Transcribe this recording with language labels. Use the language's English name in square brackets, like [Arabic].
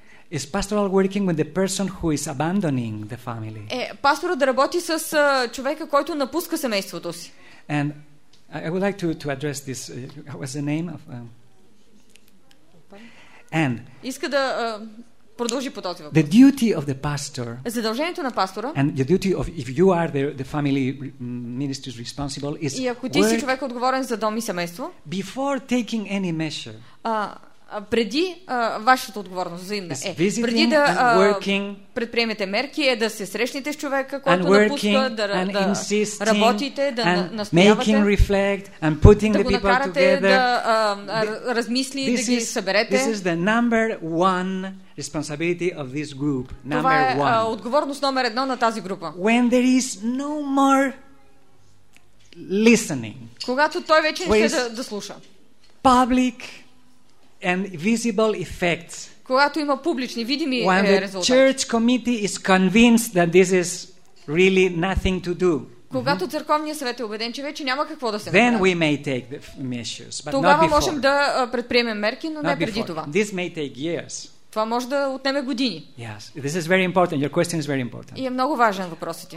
[English] Is pastoral working with the person who is abandoning the family. [Bulgarian] Е, пасторът да работи с човека, който напуска семейството си. [English] And I would like to address this. What was the name of? And [Bulgarian] иска да продължи по този въпрос. [English] The duty of the pastor. [Bulgarian] Задължението на пастора. [English] And the duty of if you are the family minister's responsible is. [Bulgarian] И ако ти си човек отговорен за дом и семейство. [English] Before taking any measure. [Bulgarian] Преди вашата отговорност за имна е, преди да [English] working, [Bulgarian] предприемете мерки, е да се срещнете с човека, който напуска, да работите, да настоявате, да го накарате да размисли, да ги съберете. [English] This is the number one responsibility of this group. [Bulgarian] Това е отговорност номер едно на тази група. [English] When there is no more listening. [Bulgarian] Когато той вече не се да слуша. [English] Public and visible effects. [Bulgarian] Когато има публични видими резултати. [English] When the church committee is convinced that this is really nothing to do. [Bulgarian] Когато църковният съвет е убеден, че вече няма какво да се направи. [English] Then we may take the measures, but [Bulgarian] тогава можем да предприемем мерки, но не преди това. [English] This may take years. [Bulgarian] Това може да отнеме години. [English] Yes, this is very important. Your question is very important. [Bulgarian] И е много важен въпросът ти.